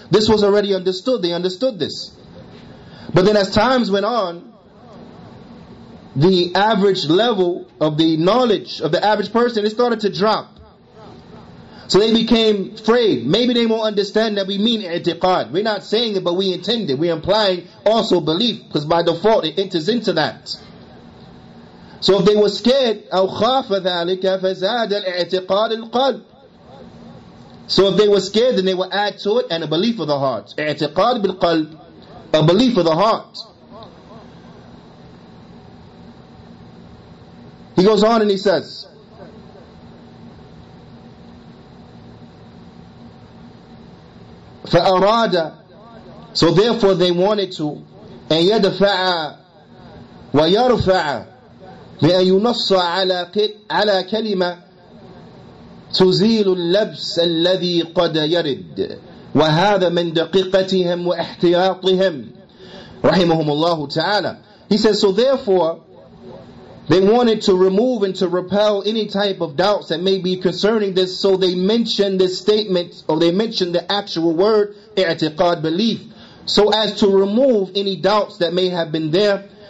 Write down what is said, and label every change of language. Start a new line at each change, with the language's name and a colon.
English: This was already understood. They understood this. But then as times went on, the average level of the knowledge of the average person, it started to drop. So they became afraid. Maybe they won't understand that we mean i'tiqad. We're not saying it, but we intend it. We're implying also belief, because by default it enters into that. So if they were scared,
Arabic: أو خاف ذلك فزاد الاعتقاد القلب.
English: So if they were scared, then they would add to it and a belief of the heart.
Arabic: اعتقاد بالقلب,
English: a belief of the heart. He goes on and he says,
Arabic: فأراد.
English: So therefore they wanted to,
Arabic: أن يدفع ويرفع. لأن ينص على كلمة تزيل اللبس الذي قد يرد وهذا من دقيقتهم واحتياطهم رحمهم الله تعالى.
English: He says, so therefore, they wanted to remove and to repel any type of doubts that may be concerning this, so they mentioned this statement, or they mentioned the actual word, i'tiqad, belief, so as to remove any doubts that may have been there.